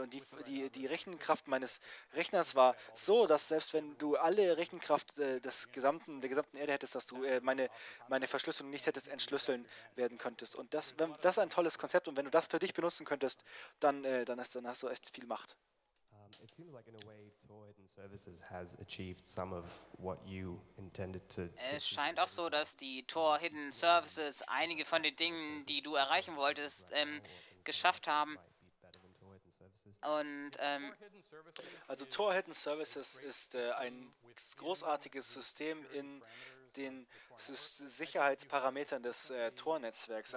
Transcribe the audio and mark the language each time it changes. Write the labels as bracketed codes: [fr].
[de] Und die Rechenkraft meines Rechners war so, dass selbst wenn du alle Rechenkraft der gesamten Erde hättest, dass du meine Verschlüsselung nicht hättest entschlüsseln werden könntest. Und das ist ein tolles Konzept. Und wenn du das für dich benutzen könntest, dann hast du echt viel Macht. [en] It seems like in a way Toyed and Services has achieved some of what you intended to. [de] Es scheint auch so, dass die Tor Hidden Services einige von den Dingen, die du erreichen wolltest, geschafft haben. Und also Tor Hidden Services ist ein großartiges System in den Sicherheitsparametern des Tor-Netzwerks.